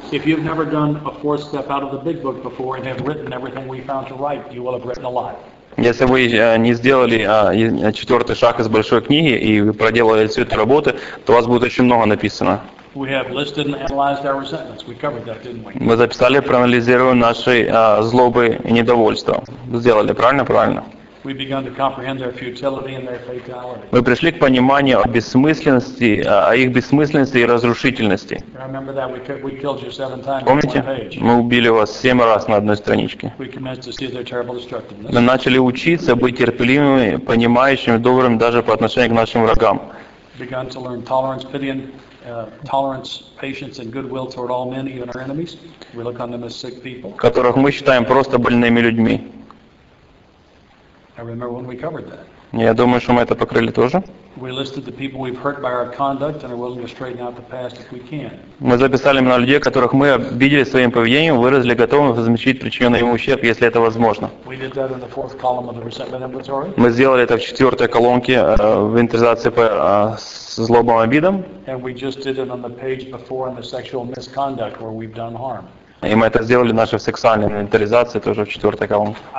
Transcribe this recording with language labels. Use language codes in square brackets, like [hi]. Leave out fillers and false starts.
[ru] Если вы не сделали четвертый шаг из большой книги и вы проделали всю эту работу, то у вас будет очень много написано. [en] We have listed and analyzed our resentments. We covered that, didn't we? [ru] Мы записали, проанализировали наши злобы и недовольства. Сделали, правильно? Правильно. [en] We began to comprehend their futility and their fatality. [ru] Мы пришли к пониманию о бессмысленности, о их бессмысленности и разрушительности. [en] Remember that we killed you 7 times. [ru] Помните? Мы убили вас 7 раз на одной страничке. [en] We commenced to see their terrible destructiveness. [ru] Мы начали учиться быть терпеливыми, понимающими, добрыми даже по отношению к нашим врагам. [en] Began to learn tolerance, pity, and tolerance, patience, and goodwill toward all men, even our enemies. We look on them as sick people. [ru] Которых мы считаем просто больными людьми. [en] I remember when we covered that. [ru] Я думаю, что мы это покрыли тоже. [en] We listed the people we've hurt by our conduct and are willing to straighten out the past if we can. [ru] Мы записали имена людей, которых мы обидели своим поведением, выразили готовность возместить причиненный им ущерб, если это возможно. [en] We did that in the fourth column of the resentment inventory. [ru] Мы сделали это в четвертой колонке инвентаризации по злобам и обидам. [en] And we just did it on the page before in the sexual misconduct where we've done harm. [ru] И мы это сделали в нашей сексуальной инвентаризации, тоже в четвертой колонке.